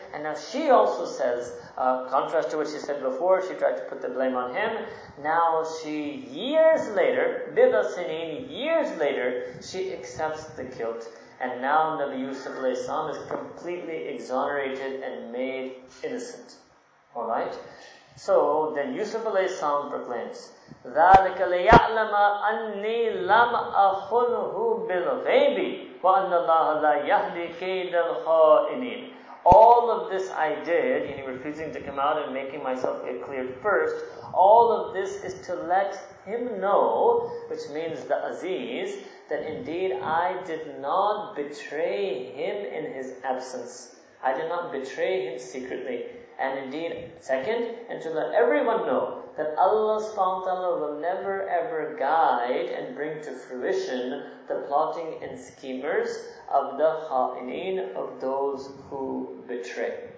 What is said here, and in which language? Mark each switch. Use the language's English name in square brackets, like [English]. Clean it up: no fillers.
[English] And now she also says, contrast to what she said before, she tried to put the blame on him. Now she, years later, [Arabic] bida sinin, [English] years later, she accepts the guilt. And now Nabi Yusuf alayhi salam is completely exonerated and made innocent. Alright? So then Yusuf alayhi salam proclaims, [Arabic] ذَلِكَ لَيَعْلَمَ أَنِّي لَمْ أَخُنْهُ بِالْغَيْبِ وَأَنَّ اللَّهَ لَا يَهْدِي كَيْدَ الْخَائِنِينَ. [English] All of this I did, meaning refusing to come out and making myself get clear first, all of this is to let him know, which means the Aziz, that indeed I did not betray him in his absence. I did not betray him secretly. And indeed, second, and to let everyone know that Allah subhanahu wa ta'ala will never ever guide and bring to fruition the plotting and schemers of the kha'ineen, of those who betray.